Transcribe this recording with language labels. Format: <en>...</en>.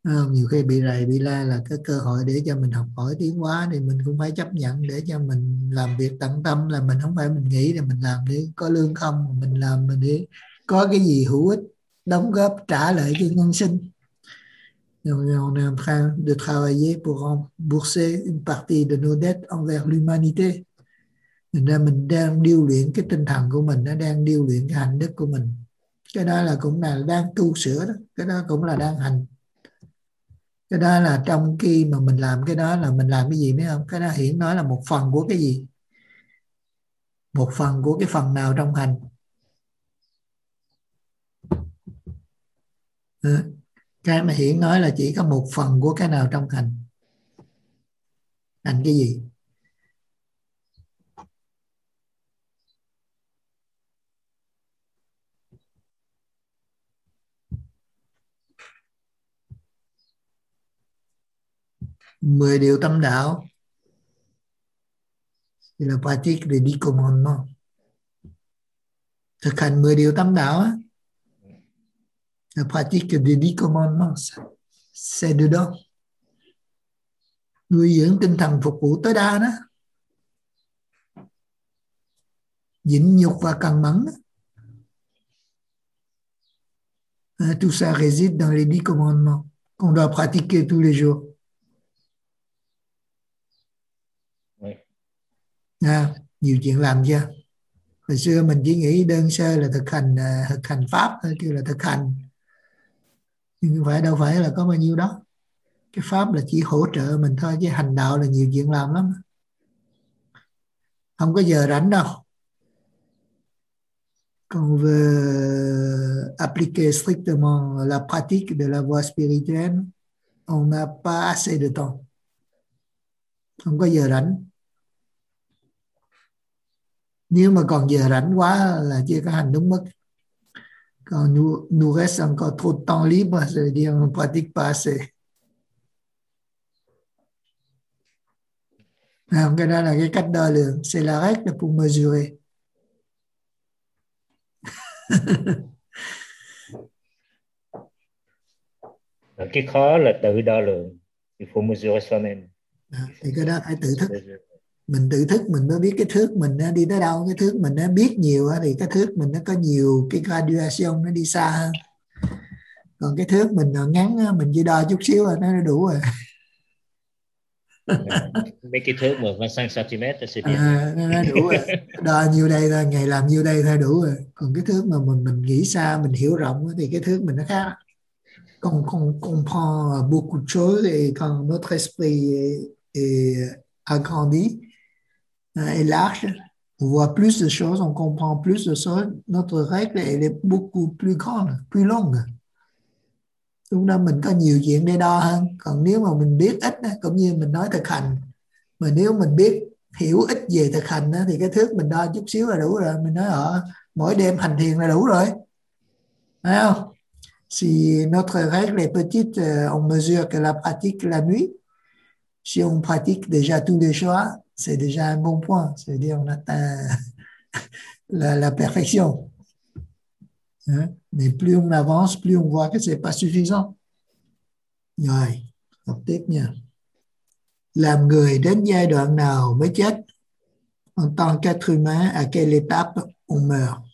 <vi>Nhiều khi bị rầy, bị la là cái cơ hội để cho mình học hỏi tiến hóa, thì mình cũng phải chấp nhận để cho mình làm việc tận tâm, là mình không phải mình nghĩ là mình làm để có lương không, mình làm mình để có cái gì hữu ích, đóng góp trả lại cho nhân sinh.</vi> <fr>On est en train de travailler pour rembourser une partie de nos dettes envers l'humanité.</fr> <vi>Mình đang điêu luyện cái tinh thần của mình, nó đang điêu luyện cái hạnh đức của mình. Cái đó là cũng là đang tu sửa đó, cái đó cũng là đang hành. Cái đó là trong khi mà mình làm cái đó là mình làm cái gì biết không? Cái đó hiển nói là một phần của cái gì? Một phần của cái phần nào trong hành? Cái mà hiển nói là chỉ có một phần của cái nào trong hành. Hành cái gì? Mười điều tâm đạo. Thì là</vi> <fr>pratique des dix commandements.</fr> <vi>Thực hành mười điều tâm đạo á.</vi> <fr>La pratique des dix commandements, c'est dedans.</fr> <vi>Nuôi dưỡng tinh thần phục vụ tối đa đó. Nhịn nhục và cần mẫn.</vi> <fr>Tout ça réside dans les dix commandements qu'on doit pratiquer tous les jours.</fr> <vi>Nhiều chuyện làm chưa? Hồi xưa mình chỉ nghĩ đơn sơ là thực hành pháp thôi, kêu là thực hành. Nhưng phải đâu phải là có bao nhiêu đó. Cái pháp là chỉ hỗ trợ mình thôi, chứ hành đạo là nhiều chuyện làm lắm. Không có giờ rảnh đâu.</vi> <fr>Quand on veut appliquer strictement la pratique de la voie spirituelle, on n'a pas assez de temps.</fr> <vi>Không có giờ rảnh. Nếu mà còn giờ rảnh quá là chưa có hành đúng mức. Còn</vi> <fr>nous reste encore trop de temps libre, ça veut dire on ne pratique pas assez.</fr> <vi>Cái đó là cái cách đo lường.</vi> <fr>C'est la règle pour mesurer.</fr> <vi>Cái khó là tự đo lường.</vi> <fr>Il faut mesurer soi-même.</fr> <vi>Cái đó phải tự thức. Mình tự thức mình mới biết cái thước mình nó đi tới đâu. Cái thước mình nó biết nhiều thì cái thước mình nó có nhiều cái graduation, nó đi xa hơn. Còn cái thước mình nó ngắn, mình chỉ đo chút xíu là nó đã đủ rồi. Mấy cái thước mà 5 cm nó đủ rồi. Đo nhiêu đây thôi, ngày làm nhiêu đây thôi đủ rồi. Còn cái thước mà mình nghĩ xa, mình hiểu rộng thì cái thước mình nó khác.</vi> <fr>Quand on comprend beaucoup de choses et quand notre esprit est agrandi, est large, on voit plus de choses, on comprend plus de choses, notre règle elle est beaucoup plus grande, plus longue.</fr> <vi>Lúc đó mình có nhiều chuyện để đo hơn. Còn nếu mà mình biết ít, cũng như mình nói thực hành, mà nếu mình biết hiểu ít về thực hành thì cái thước mình đo chút xíu là đủ rồi. Mình nói ở mỗi đêm hành thiền là đủ rồi, thấy không?</vi> <fr>Si notre règle est petite, on mesure que la pratique la nuit. Si on pratique déjà tous les soirs, c'est déjà un bon point. C'est-à-dire on atteint la perfection. Hein? Mais plus on avance, plus on voit que ce n'est pas suffisant.</fr> <vi>Rồi, học tiếp nha. Làm người đến giai đoạn nào mới chết?</vi> <fr>En tant qu'être humain, à quelle étape on meurt?</fr>